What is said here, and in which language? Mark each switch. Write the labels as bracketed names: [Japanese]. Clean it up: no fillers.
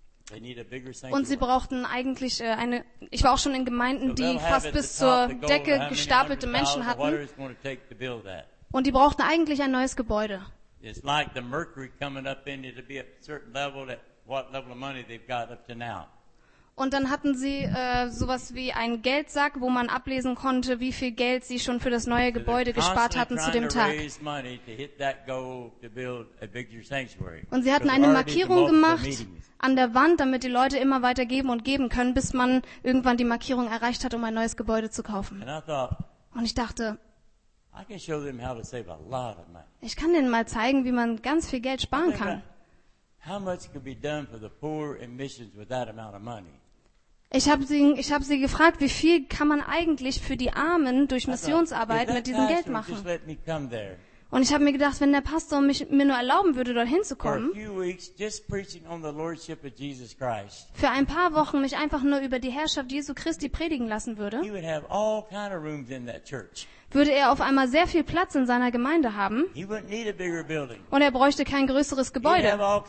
[German] Und sie brauchten eigentlich eine... Ich war auch schon in Gemeinden, die fast bis zur Decke gestapelte Menschen hatten. Und die brauchten eigentlich ein neues Gebäude. [English] It's like the mercury coming up in it to be at a certain level at what level of money they've got up to now. [German] Und dann hatten sie sowas wie einen Geldsack, wo man ablesen konnte, wie viel Geld sie schon für das neue Gebäude gespart hatten zu dem Tag. Und sie hatten eine Markierung gemacht an der Wand, damit die Leute immer weiter geben und geben können, bis man irgendwann die Markierung erreicht hat, um ein neues Gebäude zu kaufen. Und ich dachte, [English] I can show them how to save a lot of money. [German] Ich kann ihnen mal zeigen, wie man ganz viel Geld sparen kann. [English] How much could be done for the poor and missions with that amount of money? [German] Ich hab sie gefragt, wie viel kann man eigentlich für die Armen durch Missionsarbeit mit diesem Geld machen? [English] Just let me come there. [German] Und ich habe mir gedacht, wenn der Pastor mir nur erlauben würde, dorthin zu kommen, für ein paar Wochen mich einfach nur über die Herrschaft Jesu Christi predigen lassen würde, würde er auf einmal sehr viel Platz in seiner Gemeinde haben und er bräuchte kein größeres Gebäude.